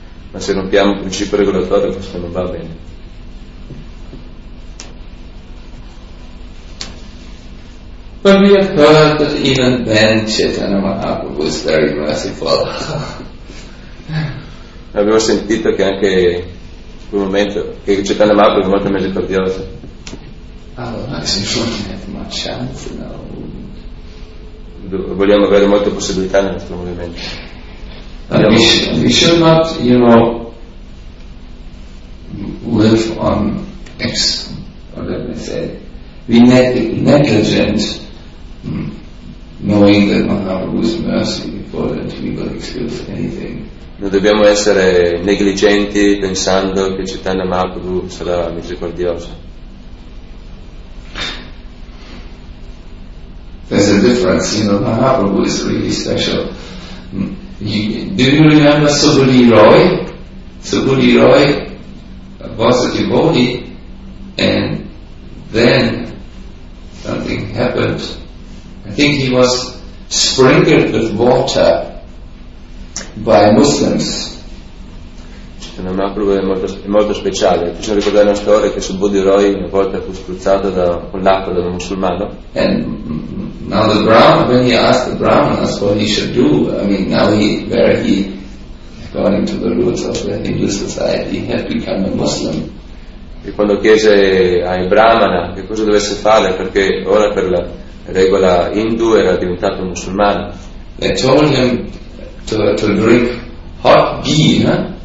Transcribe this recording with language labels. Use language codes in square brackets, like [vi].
[it] Ma se rompiamo il principio regolatorio, questo non va bene. [en] But we have heard that even then Chaitanya Mahaprabhu is very merciful. [it] Abbiamo sentito che anche in quel momento che Chaitanya Mahaprabhu è molto misericordioso. [en] Otherwise we won't have much chance in our movement. [it] Vogliamo avere molte possibilità nel nostro movimento. [en] We should not, you know, live on X, or let me say, be negligent. Knowing that Mahaprabhu is merciful and we will excuse anything. [it] Non dobbiamo essere negligenti pensando che Chaitanya Mahaprabhu sarà misericordioso. [en] There's a difference, you know, Mahaprabhu is really special. Do you remember Subali Roy? Subali Roy was a devotee and then something happened. I think he was sprinkled with water by Muslims. [it] Chaitanya Mahaprabhu è molto speciale. Ti sono ricordato una storia che Subali Roy una volta fu spruzzato con l'acqua da un musulmano. [en] And now the Brahman, when he asked the Brahmanas what he should do, I mean, now he, where he, according to the rules of the Hindu society, he had become a Muslim. [it] E quando chiese ai Brahmana che cosa dovesse fare, perché ora per la regola Hindu era diventato musulmano. [en] They told him to drink hot ghee, huh?